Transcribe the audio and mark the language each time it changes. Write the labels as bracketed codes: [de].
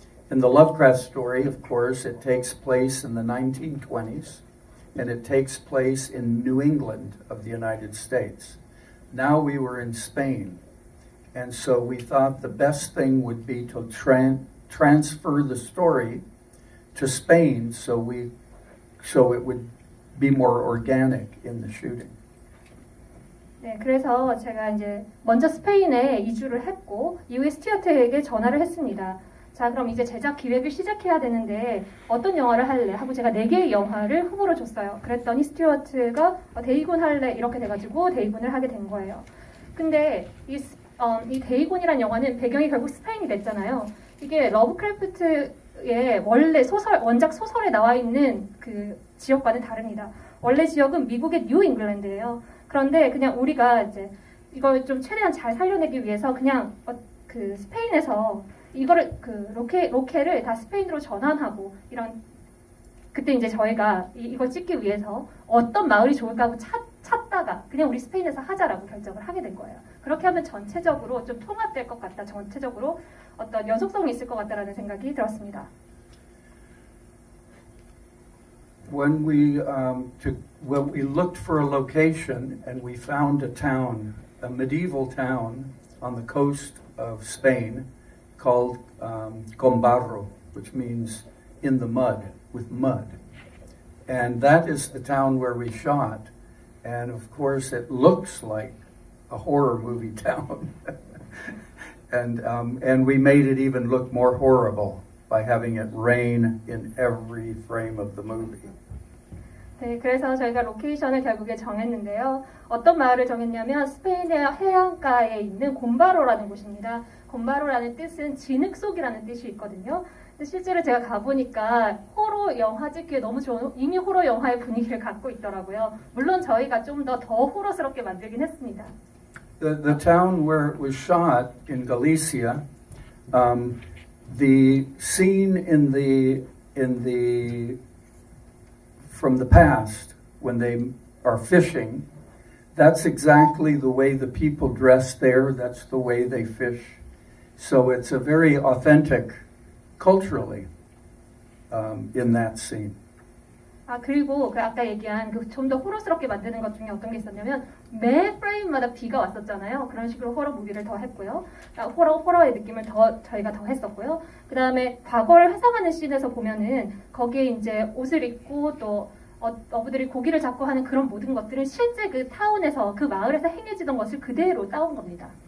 [en] In the Lovecraft story, of course, it takes place in the 1920s, and it takes place in New England of the United States. Now we were in Spain, and so we thought the best thing would be to transfer the story to Spain so it would be more organic in the shooting. [ko] 네, 그래서 제가 이제 먼저 스페인에 이주를 했고 이후에 스튜어트에게 전화를 했습니다. 자, 그럼 이제 제작 기획을 시작해야 되는데 어떤 영화를 할래? 하고 제가 네 개의 영화를 후보로 줬어요. 그랬더니 스튜어트가 데이군 할래 이렇게 돼 가지고 데이군을 하게 된 거예요. 근데 이 데이군이란 영화는 배경이 결국 스페인이 됐잖아요. 이게 러브크래프트의 원래 소설 원작 소설에 나와 있는 그 지역과는 다릅니다. 원래 지역은 미국의 뉴 잉글랜드예요. 그런데 그냥 우리가 이제 이걸 좀 최대한 잘 살려내기 위해서 그냥 그 스페인에서 이거를 그 로케를 다 스페인으로 전환하고 이런 그때 이제 저희가 이거 찍기 위해서 어떤 마을이 좋을까 하고 찾다가 그냥 우리 스페인에서 하자라고 결정을 하게 된 거예요. 그렇게 하면 전체적으로 좀 통합될 것 같다. 전체적으로 어떤 연속성이 있을 것 같다라는 생각이 들었습니다. [en] When we when we looked for a location and we found a town, a medieval town on the coast of Spain called Combarro, which means in the mud, with mud. And that is the town where we shot. And of course, it looks like a horror movie town. and we made it even look more horrible by having it rain in every frame of the movie. [ko] 네, 그래서 저희가 로케이션을 결국에 정했는데요. 어떤 마을을 정했냐면 스페인의 해안가에 있는 곰바로라는 곳입니다. 곰바로라는 뜻은 진흙 속이라는 뜻이 있거든요. 근데 실제로 제가 가보니까 호러 영화 찍기에 너무 좋은, 이미 호러 영화의 분위기를 갖고 있더라고요. 물론 저희가 좀 더 호러스럽게 만들긴 했습니다. [en] The town where it was shot in Galicia, the scene in the from the past, when they are fishing, that's exactly the way the people dress there, that's the way they fish. So it's a very authentic, culturally, in that scene. [ko] 아, 그리고 그 아까 얘기한 그 좀 더 호러스럽게 만드는 것 중에 어떤 게 있었냐면 매 프레임마다 비가 왔었잖아요. 그런 식으로 호러 무비를 더 했고요. 호러의 느낌을 더 저희가 더 했었고요. 그 다음에 과거를 회상하는 씬에서 보면은 거기에 이제 옷을 입고 또 어부들이 고기를 잡고 하는 그런 모든 것들은 실제 그 타운에서 그 마을에서 행해지던 것을 그대로 따온 겁니다.